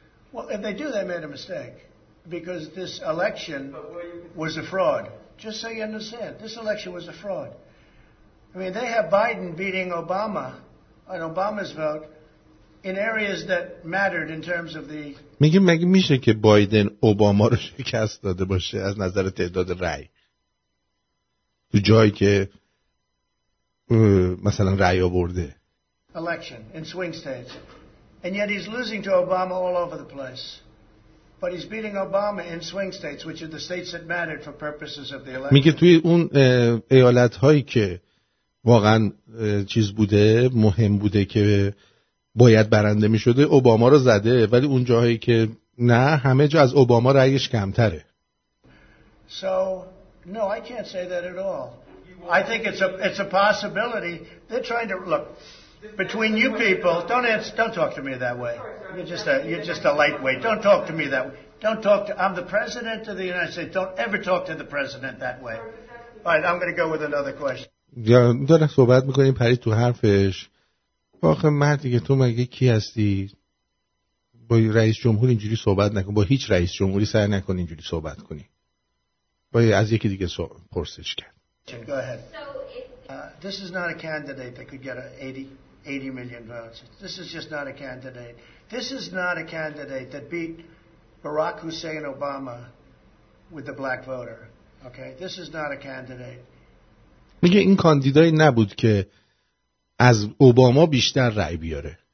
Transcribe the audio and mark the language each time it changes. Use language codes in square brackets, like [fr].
[en] Well, if they do, they made a mistake because this election was a fraud. Just so you understand, this election was a fraud. I mean, they have Biden beating Obama on Obama's vote in areas that mattered in terms of the. [fa] میگه مگه میشه که بایدن اوباما رو شکست داده باشه از نظر تعداد رأی تو جایی که مثلا رأی آورده؟ [en] Election in swing states. And yet he's losing to Obama all over the place. But he's beating Obama in swing states, which are the states that mattered for purposes of the election. [fa] میگه توی اون ایالت‌هایی که واقعا چیز بوده، مهم بوده که باید برنده می‌شده، اوباما رو زده، ولی اون جاهایی که نه، همه جا از اوباما رأیش کمتره. [en] So, no, I can't say that at all. I think it's a possibility. They're trying to look Between you people, don't answer, don't talk to me that way. You're just a lightweight. Don't talk to me that way. I'm the president of the United States. Don't ever talk to the president that way. All right, I'm going to go with another question. [fa] یا داره صحبت میکنه این پری تو حرفش. آخه مردی که تو مگه کی هستی؟ با رئیس جمهور اینجوری صحبت نکن. با هیچ رئیس جمهوری سعی نکن اینجوری صحبت کنی. با از یکی دیگه پرسش کرد. [en] Go ahead. This is not a candidate that could get 80 million votes. This is just not a candidate. This is not a candidate that beat Barack Hussein Obama with the black voter. Okay, this is not a candidate. [fa] میگه این کاندیدایی نبود که از اوباما بیشتر رأی بیاره.